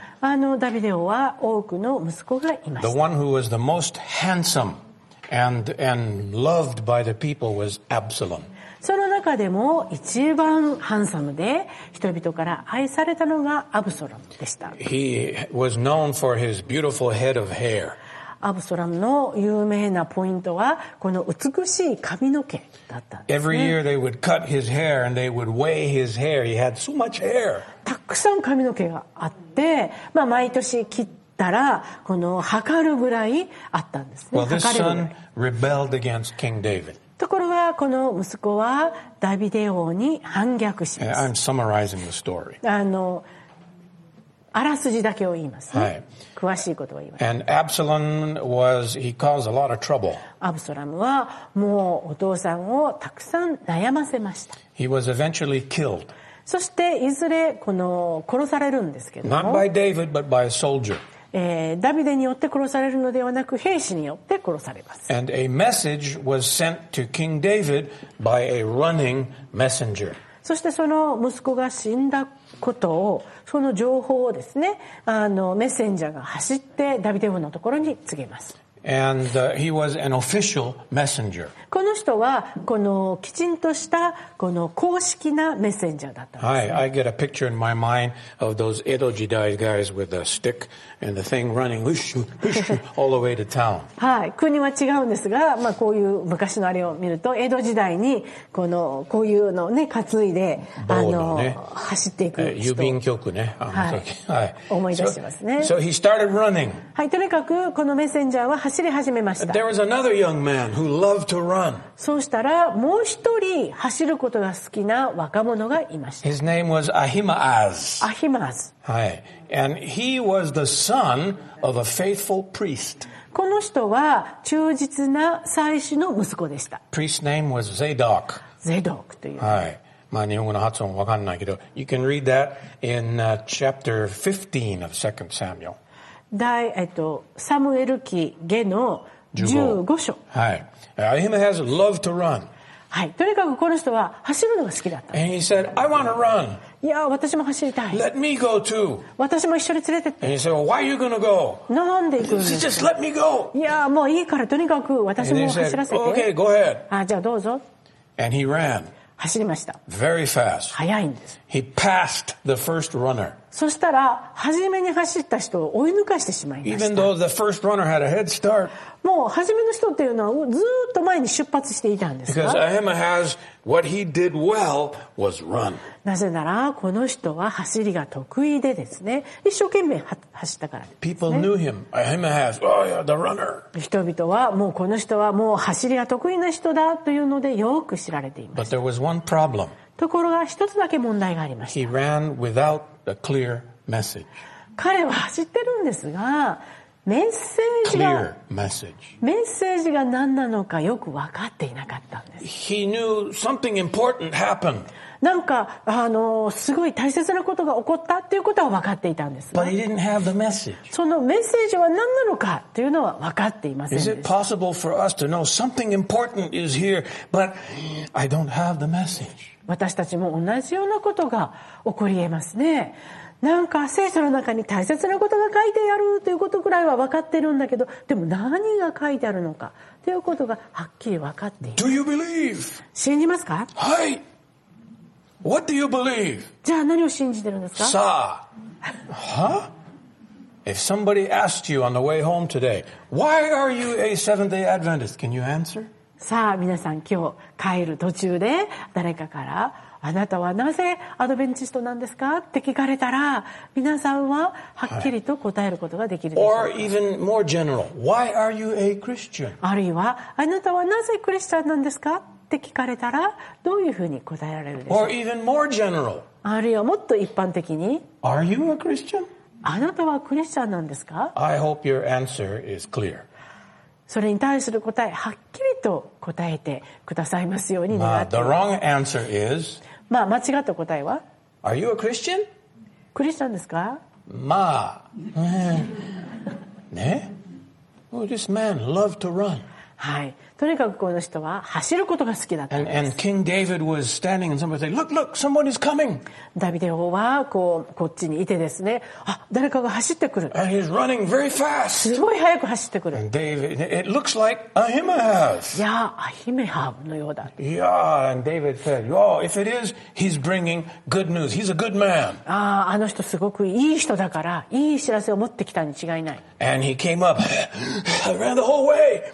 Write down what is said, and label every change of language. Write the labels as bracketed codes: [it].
[ja] あのダビデ王は多くの息子がいました。 [en] The one who was the most handsome and loved by the people was Absalom. [ja] その中でも一番ハンサムで人々から愛されたのがアブソロンでした。 [en] He was known for his beautiful head of hair. [ja] アブソロンの有名なポイントはこの美しい髪の毛だったんですね。 [en] Every year they would cut his hair and they would weigh his hair. He had so much hair. [ja] たくさん髪の毛があって、まあ、毎年切ったらこの測るぐらいあったんですね。 [en] Well, this son rebelled against King David. [ja] ところがこの息子はダビデ王に反逆します。 [en] I'm summarizing the story. [ja] あらすじだけを言いますね。はい、詳しいことは言います。 [en] And Absalom was, he caused a lot of trouble. [ja] アブソラムはもうお父さんをたくさん悩ませました。 [en] He was eventually killed. [ja] そしていずれこの殺されるんですけども。 [en] Not by David, but by a soldier. [ja] ダビデによって殺されるのではなく兵士によって殺されます。 [en] And a message was sent to King David by a running messenger. [ja] そしてその息子が死んだことをその情報をですね、あのメッセンジャーが走ってダビデ王のところに告げます。 [en] And, he was an official messenger. [ja] この人はこのきちんとしたこの公式なメッセンジャーだったんですね。 [en] I get a picture in my mind of those Edo Jidai guys with a stick and the thing running whoosh, whoosh, all the way to town. [ja] はい、国は違うんですが、まあ、こういう昔のあれを見ると江戸時代にこのこういうのをね担いで、ね、あの走っていく人、郵便局ね、はい、はい、思い出しますね。 [en] So he started running. [ja] はい、とにかくこのメッセンジャーは走り始めました。 [en] There was another young man who loved to run. [ja] そうしたらもう一人走ることが好きな若者がいました。 [en] His name was Ahimaaz. Ahimaaz. はい、And he was the son of a faithful priest. [ja] この人は忠実な祭司の息子でした。 [en] Priest's name was Zadok. [ja] Zadok という。はい。まあ日本語の発音わかんないけど、 [en] you can read that in chapter 15 of 2 Samuel. [ja] 第サムエル記下の15章。 [en] はい。Ahimaaz loved to run. [ja] はい。とにかくこの人は走るのが好きだった。 [en] And he said, I want to run. [ja] いや、私も走りたい。 [en] Let me go too. [ja] 私も一緒に連れてって。 [en] And he said, well, why are you gonna go? [ja] なんで行くんです [en] か?Just let me go. [ja] いや、もういいから、とにかく私も走らせて。 [en] Okay, go ahead. [ja] あ、じゃあどうぞ。 [en] And he ran. [ja] 走りました。 [en] Very fast. [ja] 早いんです。 [en] He passed the first runner. [ja] そしたら、初めに走った人を追い抜かしてしまいました。 [en] Even though the first runner had a head start. [ja] もう初めの人っていうのはずっと前に出発していたんですか? [en] Because Ahimaaz, what he did well was run. [ja] なぜならこの人は走りが得意でですね、一生懸命走ったからですね。 [en] People knew him. Ahimaaz, oh yeah, the runner. [ja] 人々はもうこの人はもう走りが得意な人だというのでよく知られています。 [en] But there was one problem. [ja] ところが一つだけ問題がありました。 [en] He ran without a clear message. [ja] 彼は走ってるんですが、メッセージが、メッセージが何なのかよく分かっていなかったんです。 [en] He knew something important happened. [ja] なんか、すごい大切なことが起こったっていうことは分かっていたんです、ね。 [en] But he didn't have the message. [ja] そのメッセージは何なのかっていうのは分かっていませんでした。 [en] Is it possible for us to know something important is here, but I don't have the message? [ja] 私たちも同じようなことが起こり得ますね。なんか聖書の中に大切なことが書いてあるということくらいは分かってるんだけど、でも何が書いてあるのかということがはっきり分かっている。 [en] Do you believe? [ja] 信じますか？ [en] はい。What do you believe? [ja] じゃあ何を信じてるんですか？さあ。は？ [en] If somebody asked you on the way home today, why are you a Seventh-day Adventist? Can you answer? [ja] さあ皆さん今日帰る途中で誰かからあなたはなぜアドベンチストなんですかって聞かれたら皆さんははっきりと答えることができるでしょうか、はい、 [en] Or even more general, why are you a Christian? [ja] あるいはあなたはなぜクリスチャンなんですかって聞かれたらどういうふうに答えられるでしょうか [en] Or even more general, [ja] あるいはもっと一般的に [en] Are you a Christian? [ja] あなたはクリスチャンなんですか [en] I hope your answer is clear. [ja] それに対する答えはっきりと答えてくださいますように願っています、 [en] まあ、The wrong answer is [ja] まあ、間違った答えは [en] Are you a Christian? [ja] クリスチャンですか [en] まあ。ね Oh, this man loved to run. [ja] はい。とにかくこの人は走ることが好きだったんです。 [en] And King David was standing and somebody said, Look, look, someone is coming. [ja] ダビデ王はこっちにいてですね。あ、誰かが走ってくる。 [en] And he's running very fast. [ja] すごい速く走ってくる。 [en] And David, it looks like Ahimaaz. [ja] いや、アヒメハブのようだ。 [en] Yeah, and David said, Oh, if it is, he's bringing good news. He's a good man. [ja] あの人すごくいい人だから、いい知らせを持ってきたに違いない。 [en] And he came up, I ran the whole way.